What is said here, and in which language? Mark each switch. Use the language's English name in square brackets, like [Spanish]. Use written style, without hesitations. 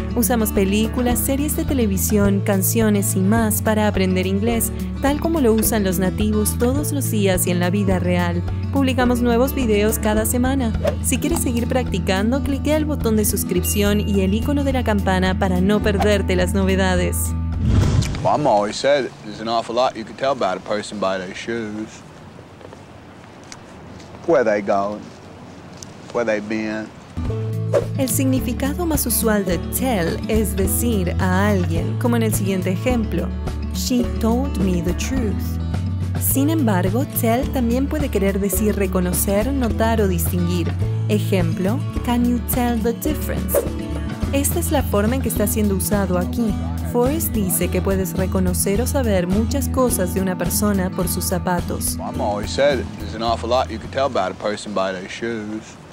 [Spanish] Usamos películas, series de televisión, canciones y más para aprender inglés, tal como lo usan los nativos todos los días y en la vida real. Publicamos nuevos videos cada semana. Si quieres seguir practicando, cliquea el botón de suscripción y el icono de la campana para no perderte las novedades. [English] Well, I'm always said there's an awful lot you can tell about a person by their shoes. Where they going? Where they been? [Spanish] El significado más usual de tell es decir a alguien, como en el siguiente ejemplo. [English] She told me the truth. [Spanish] Sin embargo, tell también puede querer decir reconocer, notar o distinguir. Ejemplo, [English] can you tell the difference? [Spanish] Esta es la forma en que está siendo usado aquí. Forrest dice que puedes reconocer o saber muchas cosas de una persona por sus zapatos. [English] Well, I'm always said there's an awful lot you can tell about a person by their shoes.